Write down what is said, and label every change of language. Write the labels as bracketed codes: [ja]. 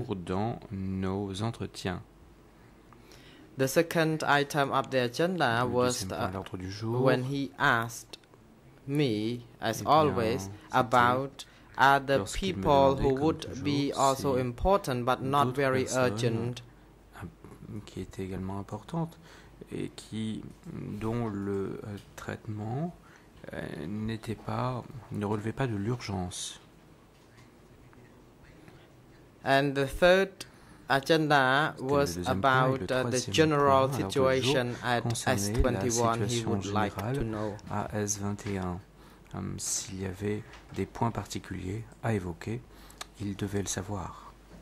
[fr] Du jour dans nos entretiens. [en] The second item of the agenda was when he asked me, as always, about other people who would be also important but not very urgent. [fr] Qui était également importante et qui dont le traitement ne relevait pas de l'urgence. [en] And the third agenda was about the general situation at S21 he would like to know. [fr] À S21, s'il y avait des points particuliers à évoquer, il devait le savoir.